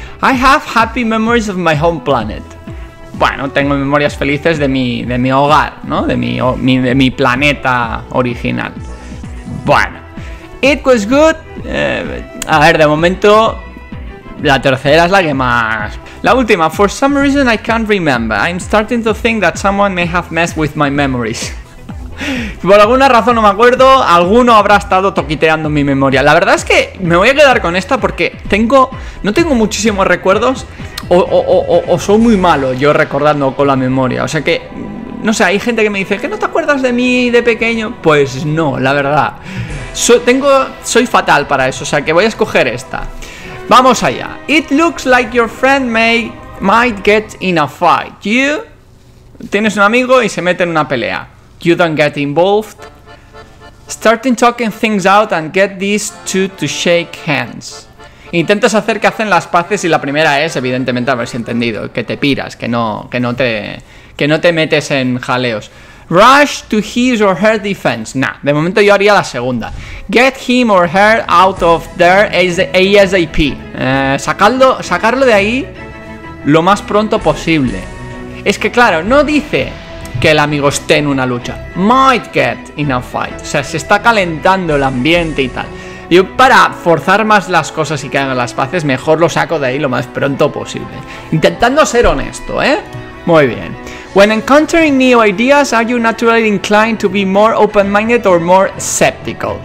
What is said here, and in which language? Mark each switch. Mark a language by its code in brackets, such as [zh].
[en] I have happy memories of my home planet. [es] Bueno, tengo memorias felices de mi hogar, ¿no? De mi planeta original. Bueno, [en] it was good. [es] A ver, de momento, la tercera es la que más. La última, [en] for some reason I can't remember. I'm starting to think that someone may have messed with my memories. [es] Por alguna razón no me acuerdo, alguno habrá estado toqueteando mi memoria. La verdad es que me voy a quedar con esta porque no tengo muchísimos recuerdos, o soy muy malo yo recordando con la memoria. O sea que, no sé, hay gente que me dice que no te acuerdas de mí de pequeño. Pues no, la verdad, soy fatal para eso, o sea que voy a escoger esta. Vamos allá. [en] It looks like your friend might get in a fight. [es] You tienes un amigo y se mete en una pelea. [en] You don't get involved. Starting talking things out and get these two to shake hands. [es] Intentas hacer que hacen las paces y la primera es, evidentemente, a ver si he entendido, que te piras, que no te metes en jaleos. [en] Rush to his or her defense. [es] Nah, de momento yo haría la segunda. [en] Get him or her out of there ASAP. [es] Sacarlo de ahí lo más pronto posible. Es que claro, no dice que el amigo esté en una lucha. [en] Might get in a fight. [es] O sea, se está calentando el ambiente y tal. Yo, para forzar más las cosas y que hagan las paces, mejor lo saco de ahí lo más pronto posible. Intentando ser honesto, ¿eh? Muy bien. [en] When encountering new ideas, are you naturally inclined to be more open-minded or more skeptical?